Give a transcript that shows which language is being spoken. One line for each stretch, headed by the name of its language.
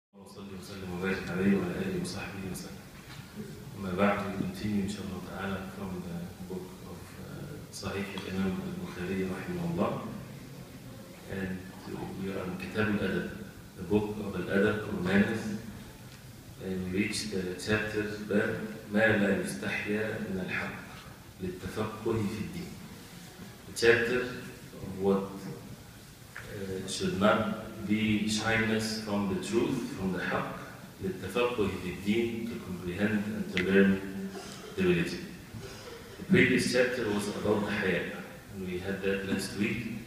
Arabic: وصلي وسلم وبارك عليه وعلى آله وصحبه وسلم. أما بعد،
English: continue
Arabic: إن شاء الله تعالى
English: from the book of
Arabic: صحيح الإمام البخاري رحمه الله.
English: And we are in كتاب الأدب, the book of الأدب or manners. And we reach the chapter
Arabic: باب ما لا يستحيا من الحق للتفقه في الدين.
English: The chapter of what should not be shyness from the truth, from the haqq,
Arabic: للتفقه في الدين,
English: to comprehend and to learn the religion. The previous chapter was about the haya, and we had that last week.